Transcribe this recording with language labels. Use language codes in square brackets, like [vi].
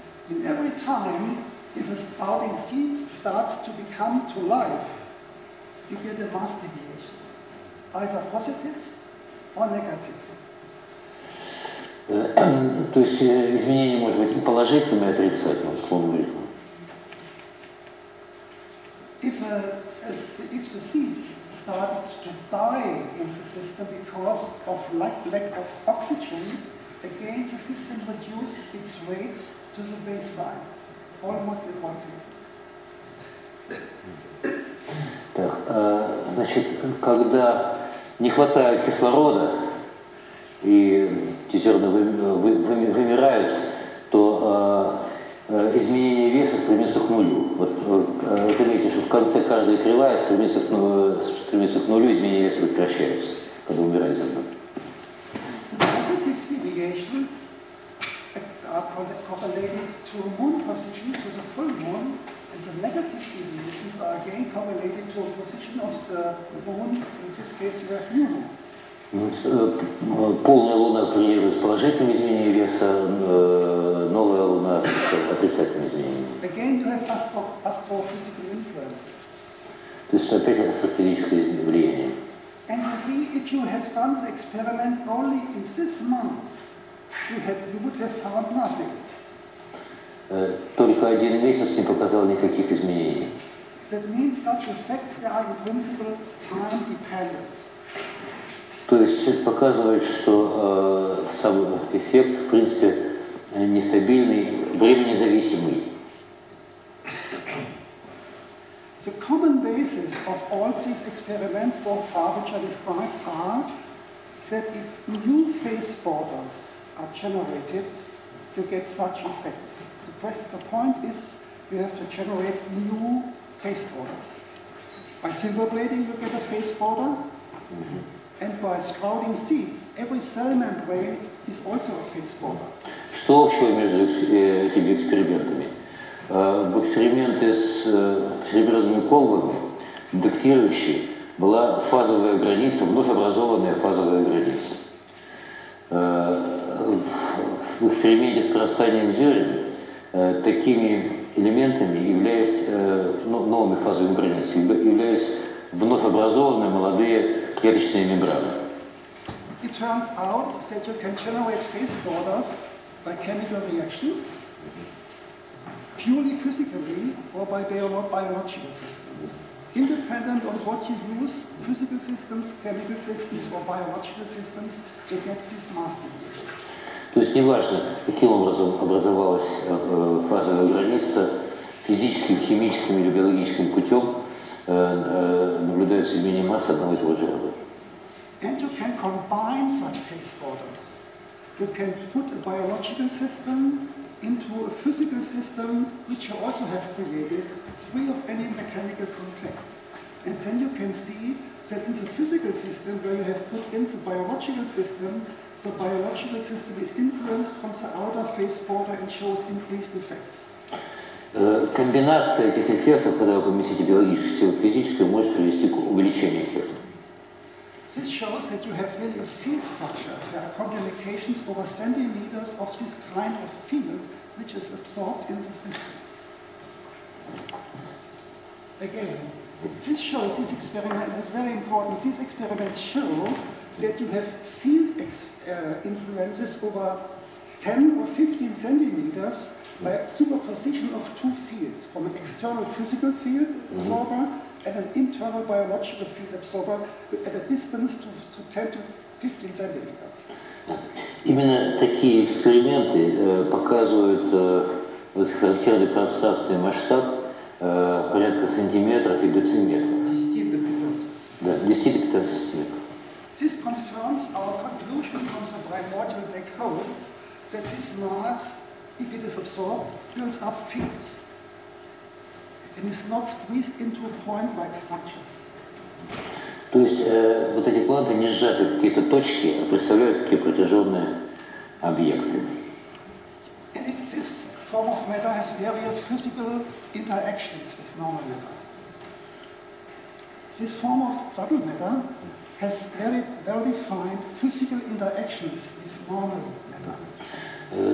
[en] In every time, if a sprouting seed starts to become to life, you get a mass deviation, either positive or negative. [ru] То есть изменение может быть и положительным, и отрицательным, словно бы. [en] If the seeds started to die in the system because of lack of oxygen, again the system reduced its weight to the baseline, almost in all cases. [ru] Так, значит, когда не хватает кислорода и эти зерна вымирают, то изменение веса стремится к нулю. Вот заметьте, что в конце каждая кривая стремится к нулю, изменение веса прекращается, когда умирает зерно. [en] The positive deviations are correlated to moon position, to the full moon, and the negative deviations are again correlated to a position of the moon, in this case we have new moon. [ru] Полная луна коррелирует с положительным изменением веса, новая луна с отрицательным изменением. [en] Again, you have astrophysical influences. [ru] То есть опять астрофизическое влияние. [en] And you see, if you had done the experiment only in this month, you would have found nothing. [ru] Только один месяц не показал никаких изменений. [en] That means such effects are in principle time dependent. [ru] То есть это показывает, что сам эффект, в принципе, нестабильный, временезависимый. [en] The common basis of all these experiments so far, which I described, are that if new phase borders are generated, you get such effects. The point is, you have to generate new phase borders. By silverblading, you get a phase border. Mm-hmm. And by sprouting seeds, every cell membrane is also a phase border. [ru] Что общего между этими экспериментами? В эксперименты с серебряными колбами, детектирующие, была фазовая граница, вновь образованная фазовая граница. В эксперименте с прорастанием зерен такими элементами являясь новыми фазовыми границами, являясь вновь образованные молодые клеточные мембраны. [en] It turned out that you can generate phase borders by chemical reactions, purely physically or by biological systems. Independent on what you use, physical systems, chemical systems or biological systems, you get these mass deviations. [ru] То есть неважно, каким образом образовалась фазовая граница, физическим, химическим или биологическим путем, наблюдаются изменения массы одного и того же рода. [en] And you can combine such phase borders. You can put a biological system into a physical system, which you also have created, free of any mechanical contact. And then you can see that in the physical system, where you have put in the biological system is influenced from the outer phase border and shows increased effects. [ru] Комбинация этих эффектов, когда вы поместите биологическую силу в физическую, может привести к увеличению эффекта. [en] This shows that you have really a field structure. There are communications over centimeters of this kind of field, which is absorbed in the systems. Again, this shows this experiment is very important. These experiments show that you have field influences over 10 or 15 centimeters by superposition of two fields, from an external physical field absorber and an internal biological field absorber at a distance to 10 to 15 centimeters. [ru] Именно такие эксперименты показывают вот характерный пространственный масштаб порядка сантиметров и дециметров. [en] 10 to 15 [ru] сантиметров. [en] This confirms our conclusion from the primordial black holes that this mass, if it is absorbed, builds up fields and is not squeezed into a point-like structures. [ru] То есть вот эти кванты не сжаты в какие-то точки, а представляют такие протяженные объекты. [en] And this form of matter has various physical interactions with normal matter. This form of subtle matter has very well-defined physical interactions with normal matter.